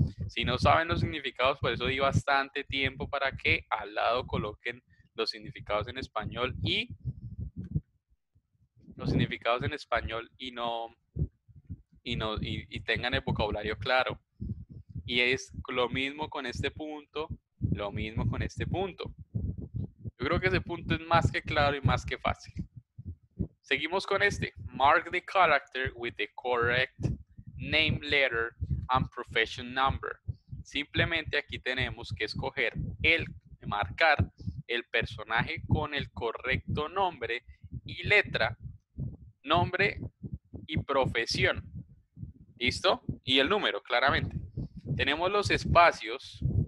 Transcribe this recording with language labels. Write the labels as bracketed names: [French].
[Spanish] Si no saben los significados, por eso di bastante tiempo para que al lado coloquen los significados en español y los significados en español y tengan el vocabulario claro. Y es lo mismo con este punto, lo mismo con este punto. Yo creo que ese punto es más que claro y más que fácil. Seguimos con este. [English] Mark the character with the correct name, letter, and profession number. [Spanish] Simplemente aquí tenemos que escoger el, marcar el personaje con el correcto nombre y letra, nombre y profesión. ¿Listo? Y el número, claramente. Tenemos los espacios.